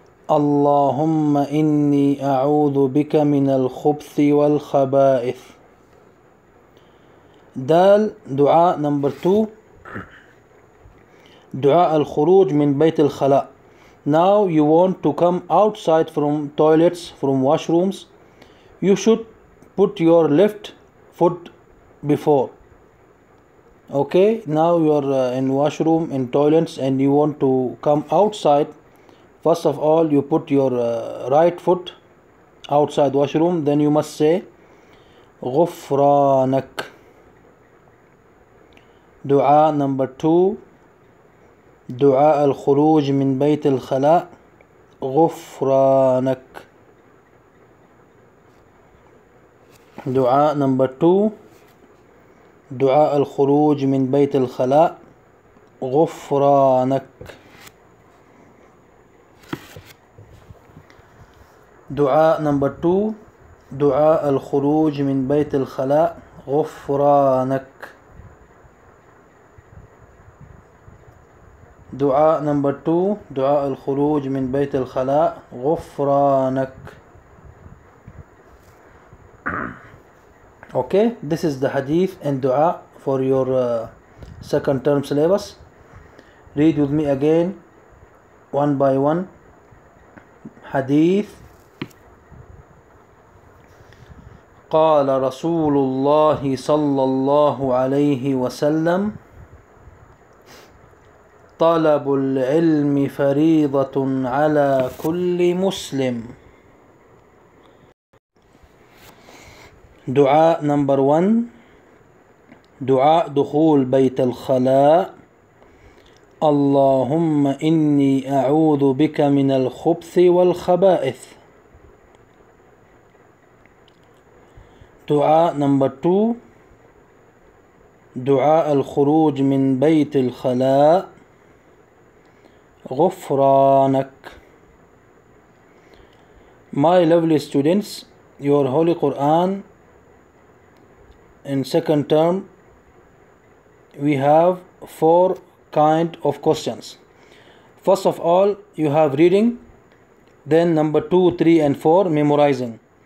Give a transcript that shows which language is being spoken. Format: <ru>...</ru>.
<ar>اللهم إني أعوذ بك من الخبث والخبائث. دال دعاء نمبر 2، دعاء الخروج من بيت الخلاء.</ar> <en>Now you want to come outside from toilets, from washrooms. You should put your left foot before. Okay, now you are in washroom, in toilets, and you want to come outside. First of all, you put your right foot outside washroom. Then you must say,</en> <ar>غفرانك. دعاء number 2. دعاء الخروج من بيت الخلاء غفرانك. دعاء نمبر 2، دعاء الخروج من بيت الخلاء غفرانك. دعاء نمبر 2، دعاء الخروج من بيت الخلاء غفرانك. دعاء نمبر 2، دعاء الخروج من بيت الخلاء غفرانك.</ar> <en>Okay, this is the hadith and dua for your second term syllabus. Read with me again, one by one. Hadith.</en> <ar>قال رسول الله صلى الله عليه وسلم طلب العلم فريضة على كل مسلم. دعاء نمبر 1، دعاء دخول بيت الخلاء. اللهم إني أعوذ بك من الخبث والخبائث. دعاء نمبر 2، دعاء الخروج من بيت الخلاء غفرانك.</ar> <en>My lovely students, your Holy Quran in second term, we have four kind of questions. First of all, you have reading, then number 2, 3, and 4 memorizing.</en>